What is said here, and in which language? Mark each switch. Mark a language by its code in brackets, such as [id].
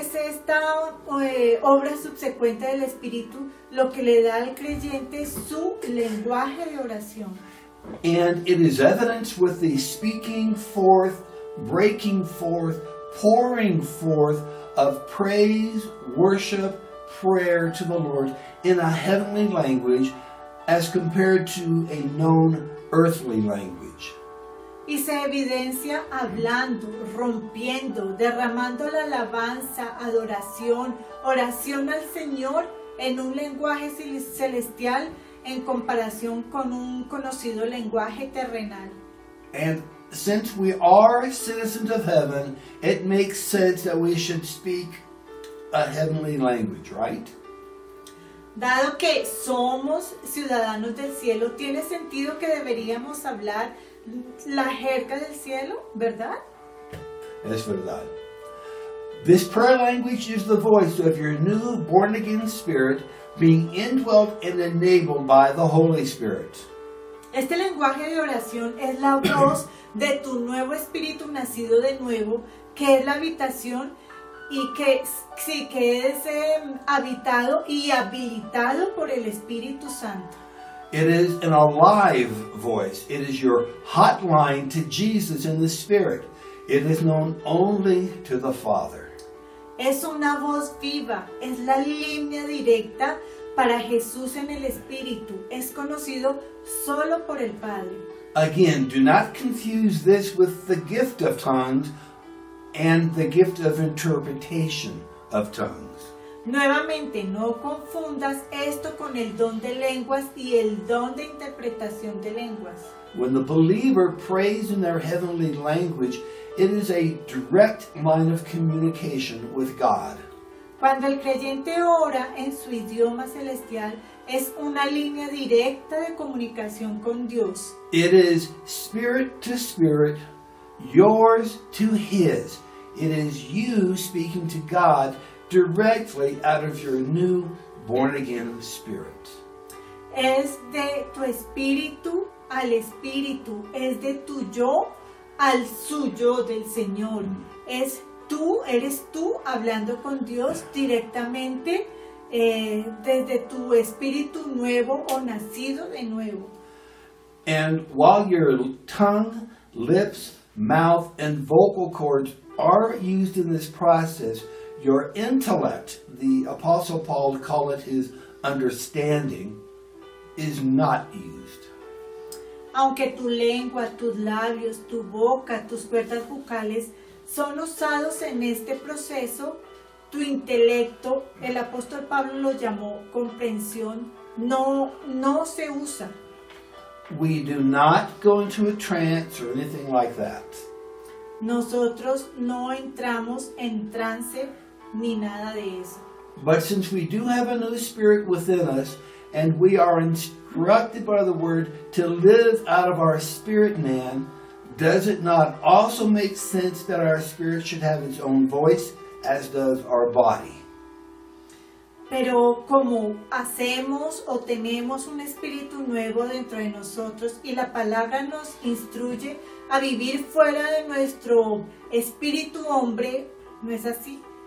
[es] Esta obra subsecuente del Espíritu lo que le da al creyente su lenguaje de oración. [en] And it is evidenced with the speaking forth breaking forth, pouring forth of praise, worship, prayer to the Lord in a heavenly language as compared to a known earthly language. [es] Y se evidencia hablando, rompiendo, derramando la alabanza, adoración, oración al Señor en un lenguaje celestial en comparación con un conocido lenguaje terrenal. [en] And since we are citizens of heaven, it makes sense that we should speak a heavenly language, right? [es] Dado que somos ciudadanos del cielo, tiene sentido que deberíamos hablar la jerga del cielo, ¿verdad? Es verdad. [en] This prayer language is the voice of your new born-again spirit being indwelt and enabled by the Holy Spirit. [es] Este lenguaje de oración es la voz de tu nuevo espíritu nacido de nuevo, que es la habitación y que sí, que es habitado y habilitado por el Espíritu Santo. [en] It is an alive voice. It is your hotline to Jesus in the Spirit. It is known only to the Father. [es] Es una voz viva. Es la línea directa para Jesús en el Espíritu. Es conocido solo por el Padre. [en] Again, do not confuse this with the gift of tongues and the gift of interpretation of tongues. [es] Nuevamente, no confundas esto con el don de lenguas y el don de interpretación de lenguas. [en] When the believer prays in their heavenly language, it is a direct line of communication with God. [es] Cuando el creyente ora en su idioma celestial, es una línea directa de comunicación con Dios. [en] It is spirit to spirit, yours to His. It is you speaking to God directly out of your new born-again spirit. [es] Es de tu espíritu al espíritu. Es de tu yo al suyo del Señor. Es tú, eres tú hablando con Dios directamente desde tu espíritu nuevo o nacido de nuevo. [en] And while your tongue, lips, mouth, and vocal cords are used in this process, your intellect, the Apostle Paul called it his understanding, is not used. [es] Aunque tu lengua, tus labios, tu boca, tus cuerdas vocales son usados en este proceso, tu intelecto, el apóstol Pablo lo llamó comprensión, no se usa. [en] We do not go into a trance or anything like that. [es] Nosotros no entramos en trance ni nada de eso. [en] But since we do have a new spirit within us, and we are instructed by the word to live out of our spirit man, does it not also make sense that our spirit should have its own voice, as does our body? [es] Pero como hacemos o tenemos un espíritu nuevo dentro de nosotros y la palabra nos instruye a vivir fuera de nuestro espíritu hombre, ¿no es así?